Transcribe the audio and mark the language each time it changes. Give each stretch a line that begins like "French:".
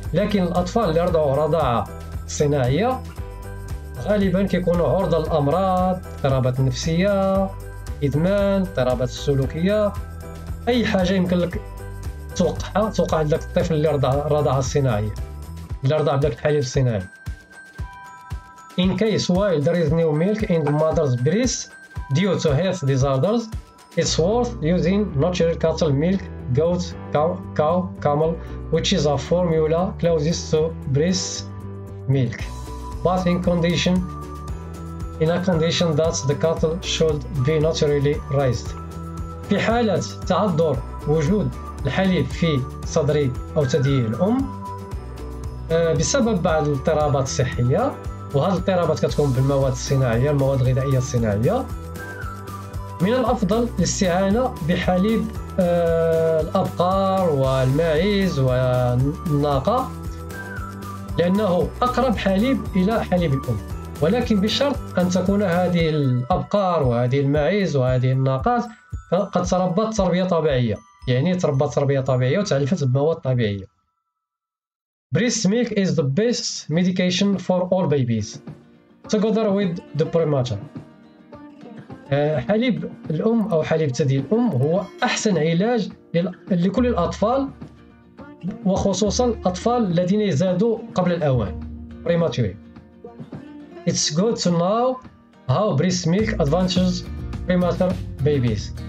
Arabic: لكن الأطفال اللي رضعوا رضاعة صناعية غالبا كيكونوا عرضة للأمراض، اضطرابات نفسية، إدمان، اضطرابات سلوكية، أي حاجة يمكن لك توقعها توقع عندك الطفل اللي رضع رضاعة صناعية، اللي رضع بدك الحليب الصناعي.
English: In case while there is new milk in the mother's breast due to health disorders, it's worth using natural cattle milk, goat, cow, camel, which is a formula closest to breast milk. But in a condition that the cattle should be naturally raised.
Arabic: في حالة تعذر وجود الحليب في صدر أو ثدي الأم بسبب بعض الاضطرابات الصحية، وهذه الاضطرابات كتكون بالمواد الصناعية، المواد الغذائية الصناعية، من الأفضل الاستعانة بحليب الأبقار والماعز والناقة، لأنه أقرب حليب إلى حليب الأم. ولكن بشرط أن تكون هذه الأبقار وهذه الماعز وهذه الناقات قد تربت تربية طبيعية، يعني تربت تربية طبيعية وتعلفت بمواد طبيعية.
English: Breast milk is the best medication for all babies, together with the premature.
Arabic: حليب الأم أو حليب ثدي الأم هو أحسن علاج لكل الأطفال، وخصوصا الأطفال الذين يزادوا قبل الأوان.
English: Premature. It's good to know how breast milk advantages premature babies.